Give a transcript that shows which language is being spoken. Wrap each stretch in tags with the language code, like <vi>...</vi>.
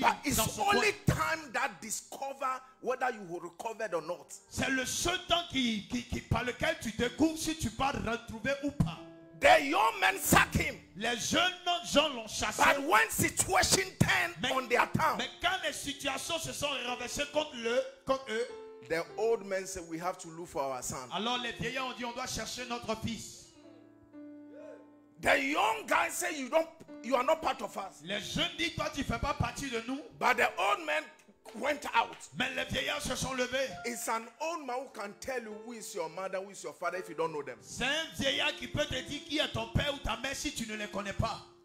<en>But it's only time that discover whether you were recovered or not.</en> <fr>C'est le seul temps qui par lequel tu découvres si tu vas retrouver ou pas.</fr> <en>The young men sack him.</en> <fr>Les jeunes gens l'ont chassé.</fr> <en>But when situation turned on their town.</en> <fr>Mais quand les situations se sont renversées contre eux.</fr> <en>The old men said we have to look for our son.</en> <fr>Alors les vieillards ont dit on doit chercher notre fils.</fr> <en>The young guy say you are not part of us.</en> <fr>Les jeunes disent toi tu fais pas partie de nous.</fr> <en>But the old man went out.</en> <fr>Mais les vieillards se sont levés.</fr> <en>It's an old man who can tell you who is your mother, who is your father if you don't know them.</en> <fr>C'est un vieillard qui peut te dire qui est ton père ou ta mère si tu ne les connais pas.</fr>